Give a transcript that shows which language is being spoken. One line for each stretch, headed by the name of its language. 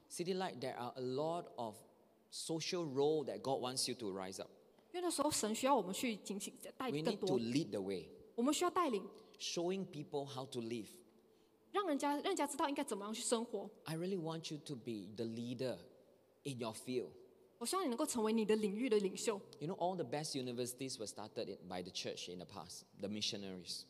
English: City Light, there are a lot of social role that God wants you to rise up.
Chinese: 因为那时候神需要我们去警醒带更多。
English: We need to lead the way.
Chinese: 我们需要带领。
English: Showing people how to live.
Chinese: 让人家知道应该怎么样去生活。
English: I really want you to be the leader in your field.
Chinese: 我希望你能够成为你的领域的领袖。
English: You know, all the best universities were started by the church in the past, the missionaries.